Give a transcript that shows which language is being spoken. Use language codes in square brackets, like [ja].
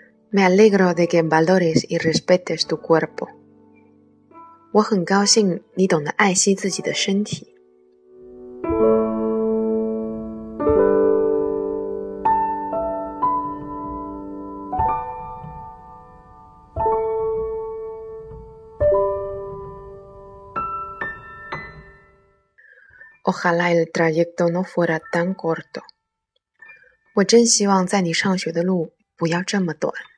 [es] Me alegro de que valores y respetes tu cuerpo. [zh] 我很高兴你懂得爱惜自己的身体。 [es] Ojalá el trayecto no fuera tan corto. [zh] 我真希望在你上学的路不要这么短。